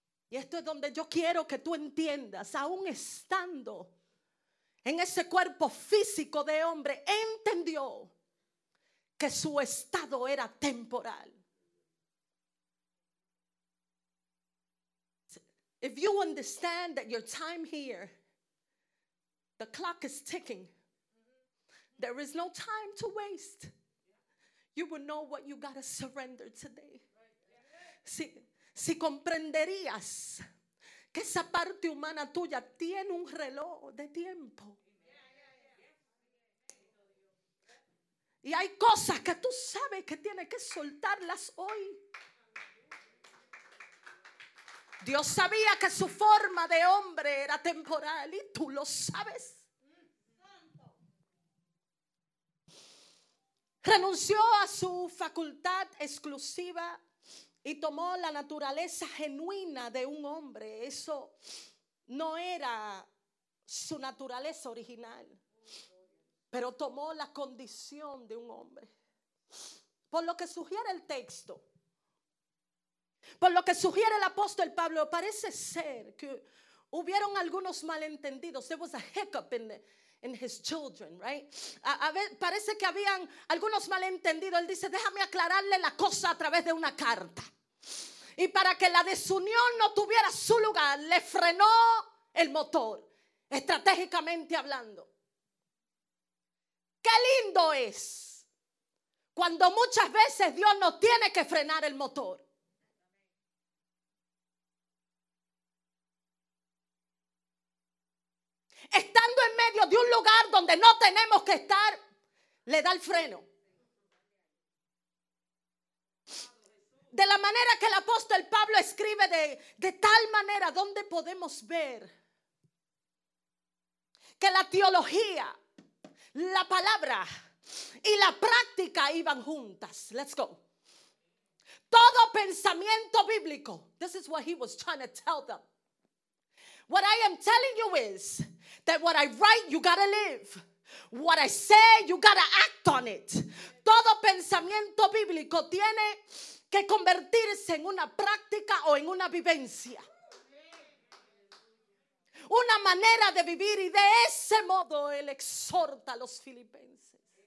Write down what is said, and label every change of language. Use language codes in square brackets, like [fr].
[es] Y esto es donde yo quiero que tú entiendas, aún estando en ese cuerpo físico de hombre, entendió que su estado era temporal. [en] If you understand that your time here, the clock is ticking. There is no time to waste. You will know what you gotta surrender today. [es] Si, si comprenderías que esa parte humana tuya tiene un reloj de tiempo. Y hay cosas que tú sabes que tienes que soltarlas hoy. Dios sabía que su forma de hombre era temporal y tú lo sabes. Renunció a su facultad exclusiva y tomó la naturaleza genuina de un hombre. Eso no era su naturaleza original, pero tomó la condición de un hombre. Por lo que sugiere el texto, por lo que sugiere el apóstol Pablo, parece ser que hubieron algunos malentendidos. [en] There was a hiccup in his children, right? [es] Parece que habían algunos malentendidos. Él dice, déjame aclararle la cosa a través de una carta. Y para que la desunión no tuviera su lugar, le frenó el motor, estratégicamente hablando. Qué lindo es cuando muchas veces Dios no tiene que frenar el motor. Estando en medio de un lugar donde no tenemos que estar, le da el freno. De la manera que el apóstol Pablo escribe, de tal manera donde podemos ver que la teología, la palabra y la práctica iban juntas. [en] Let's go. [es] Todo pensamiento bíblico. [en] This is what he was trying to tell them. What I am telling you is that what I write, you gotta live. What I say, you gotta act on it. [es] Todo pensamiento bíblico tiene que convertirse en una práctica o en una vivencia. Una manera de vivir, y de ese modo él exhorta a los filipenses.